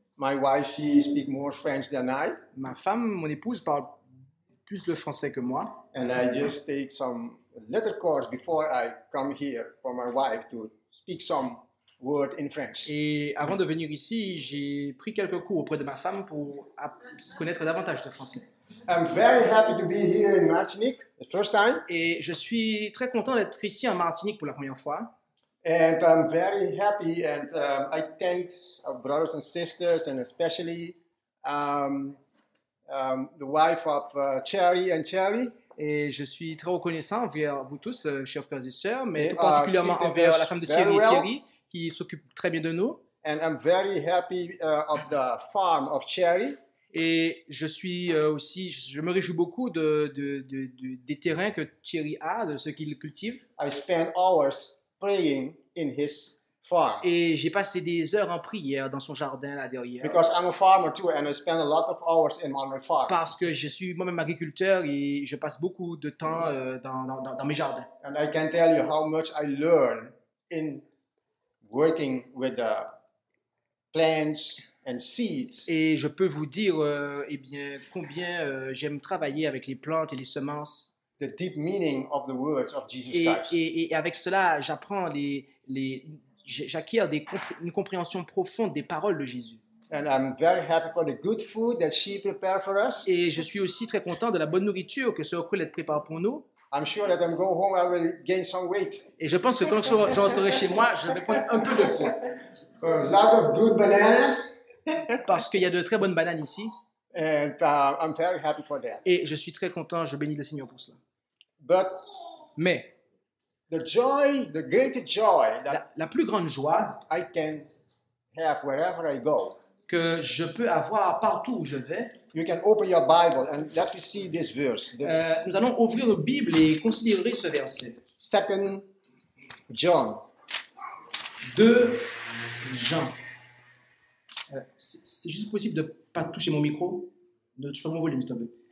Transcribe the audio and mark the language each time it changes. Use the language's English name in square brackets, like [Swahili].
[English] My wife, she speaks more French than I. [French] Ma femme, mon épouse, parle plus le français que moi. [English] And I just take some little course before I come here for my wife to speak some word in French. [French] Et avant de venir ici, j'ai pris quelques cours auprès de ma femme pour connaître davantage de français. [English] I'm very happy to be here in Martinique, the first time. [French] Et je suis très content d'être ici en Martinique pour la première fois. [English] And I'm very happy and I thank our brothers and sisters and especially the wife of Cherry and Cherry. [French] Et je suis très reconnaissant envers vous tous, chers frères et sœurs, mais tout particulièrement envers la femme de Thierry et Thierry, qui s'occupe très bien de nous. [English] And I'm very happy of the farm of Cherry. [French] Et je suis aussi, je me réjouis beaucoup des terrains que Thierry a, de ce qu'il cultive. [English] I spend hours praying in his farm. [French] Et j'ai passé des heures en prière dans son jardin là derrière. [English] Because I'm a farmer too, and I spend a lot of hours in my farm. [French] Parce que je suis moi-même agriculteur et je passe beaucoup de temps dans mes jardins. [English] And I can tell you how much I learn in working with the plants and seeds. [French] Et je peux vous dire combien j'aime travailler avec les plantes et les semences. [English] The deep meaning of the words of Jesus Christ. [French] Et avec cela, j'apprends j'acquiers une compréhension profonde des paroles de Jésus. [English] And I'm very happy for the good food that she prepared for us. [French] Et je suis aussi très content de la bonne nourriture que ce recrutement prépare pour nous. [English] I'm sure that I'm going home, I will gain some weight. [French] Et je pense que quand je rentrerai chez moi, je vais prendre un peu de poids. [English] A lot of good bananas. [French] Parce qu'il y a de très bonnes bananes ici. [English] And I'm very happy for that. [French] Et je suis très content, je bénis le Seigneur pour cela. [English] But [French] mais [English] the greatest joy, la [French] plus grande joie [English] I can have wherever I go, [French] que je peux avoir partout où je vais. [English] You can open your Bible and let me see this verse. [French] Nous allons ouvrir nos Bibles et considérer ce verset. [English] Second John. [French] 2 Jean. C'est juste possible de pas toucher mon micro. Ne touche pas mon volume, s'il te plaît.